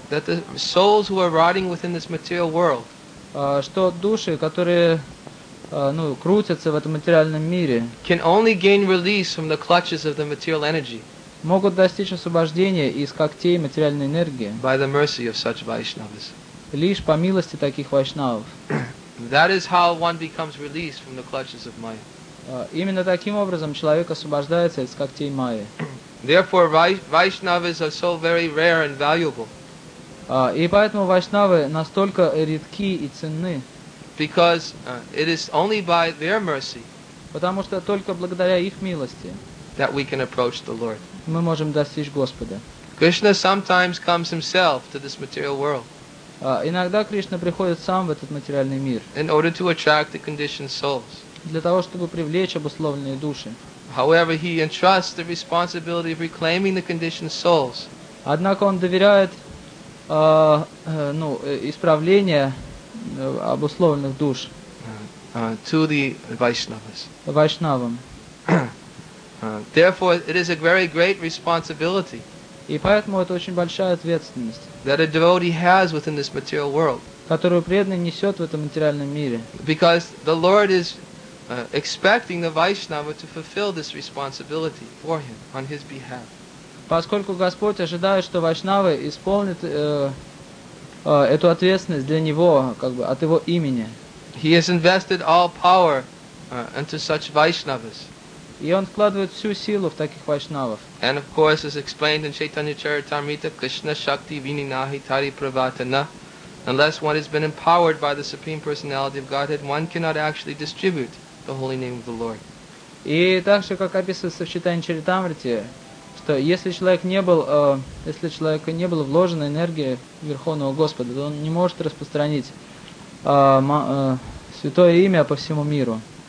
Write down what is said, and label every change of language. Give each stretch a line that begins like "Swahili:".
English: That the souls who are riding within this material world.
Russian: Что души, которые ну, крутятся в этом материальном мире.
English: Can only gain release from the clutches of the material energy.
Russian: Могут достичь освобождения из когтей материальной энергии.
English: By the mercy of such Vaishnavas.
Russian: Лишь по милости таких вайшнавов.
English: That is how one becomes released from the clutches of Maya.
Russian: Именно таким образом человек освобождается из когтей Майи.
English: Therefore, Vaishnavas are so very rare and valuable.
Russian: И поэтому вайшнавы настолько редки и ценны.
English: Because it is only by their mercy.
Russian: Потому что только благодаря их милости.
English: That we can approach the Lord.
Russian: Мы можем достичь Господа.
English: Krishna sometimes comes himself to this material world.
Russian: Иногда Кришна приходит сам в этот материальный мир.
English: In order to attract the conditioned souls.
Russian: Для того, чтобы привлечь обусловленные души.
English: However, he entrusts the responsibility of reclaiming the conditioned souls.
Russian: Однако он доверяет исправление обусловленных душ
English: to the Vaishnavas.
Russian: Vaishnavam.
English: Therefore, it is a very great responsibility.
Russian: И поэтому это очень большая ответственность,
English: that a devotee has within this material world.
Russian: Которую преданный несет в этом материальном мире.
English: Because the Lord is expecting the Vaishnava to fulfill this responsibility for him on his behalf.
Russian: Поскольку Господь ожидает, что Вайшнава исполнит эту ответственность для него, как бы от его имени.
English: He has invested all power into such Vaishnavas.
Russian: И он вкладывает всю силу в таких вайшнавов.
English: And of course, as explained in Chaitanya Charitamrita,
Bangla: Krishna Shakti Vininahi Tari Pravatana,
English: unless one has been empowered by the Supreme Personality of Godhead, one cannot actually distribute the holy name of the Lord.
Russian: И также, как описывается в Chaitanya Charitamrita, что если человек не был, если человека не было вложено энергии Верховного Господа, то он не может распространить святое имя по всему миру.